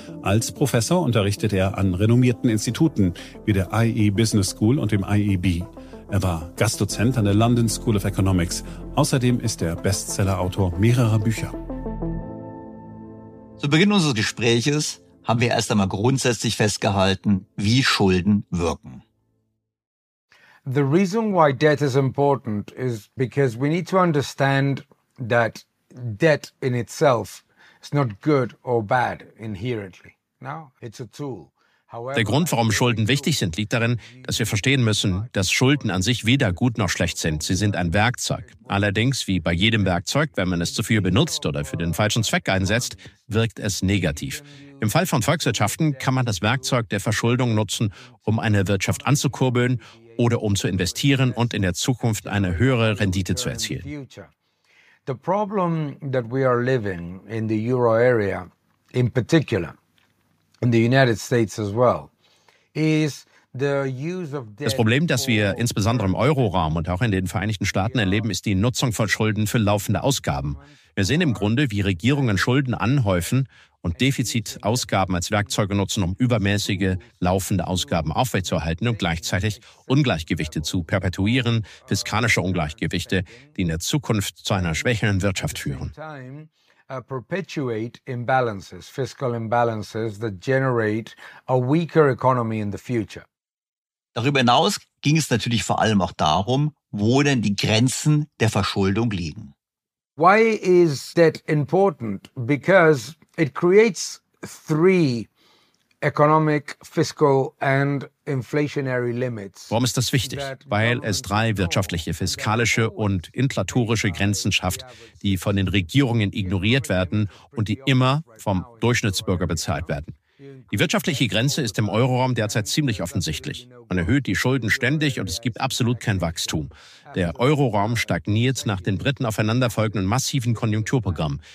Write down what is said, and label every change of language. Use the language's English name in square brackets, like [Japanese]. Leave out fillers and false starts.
[German] Als Professor unterrichtet er an renommierten Instituten wie der IE Business School und dem IEB. Er war Gastdozent an der London School of Economics. Außerdem ist er Bestsellerautor mehrerer Bücher. Zu Beginn unseres Gespräches haben wir erst einmal grundsätzlich festgehalten, wie Schulden wirken. [English] The reason why debt is important is because we need to understand that debt in itself is not good or bad inherently. No, it's a tool. [German] Der Grund, warum Schulden wichtig sind, liegt darin, dass wir verstehen müssen, dass Schulden an sich weder gut noch schlecht sind. Sie sind ein Werkzeug. Allerdings, wie bei jedem Werkzeug, wenn man es zu viel benutzt oder für den falschen Zweck einsetzt, wirkt es negativ. Im Fall von Volkswirtschaften kann man das Werkzeug der Verschuldung nutzen, um eine Wirtschaft anzukurbeln oder um zu investieren und in der Zukunft eine höhere Rendite zu erzielen. [English] The problem that we are living in the euro area in particular, in the United States as well, is the use of debt. [German] Das Problem, das wir insbesondere im Euroraum und auch in den Vereinigten Staaten erleben, ist die Nutzung von Schulden für laufende Ausgaben. Wir sehen im Grunde, wie Regierungen Schulden anhäufen und Defizitausgaben als Werkzeuge nutzen, um übermäßige laufende Ausgaben aufrechtzuerhalten und gleichzeitig Ungleichgewichte zu perpetuieren, fiskalische Ungleichgewichte, die in der Zukunft zu einer schwächeren Wirtschaft führen. [English] Perpetuate imbalances, fiscal imbalances that generate a weaker economy in the future. [German] Darüber hinaus ging es natürlich vor allem auch darum, wo denn die Grenzen der Verschuldung liegen. [English] Why is debt important? Because it creates three economic, fiscal and inflationary limits. [German] Warum ist das wichtig? Weil es drei wirtschaftliche, fiskalische und inflatorische Grenzen schafft, die von den Regierungen ignoriert werden und die immer vom Durchschnittsbürger bezahlt werden. Die wirtschaftliche Grenze ist im Euroraum derzeit ziemlich offensichtlich. Man erhöht die Schulden ständig und es gibt absolut kein Wachstum. Der Euroraum stagniert nach den Briten aufeinanderfolgenden massiven Konjunkturprogrammen.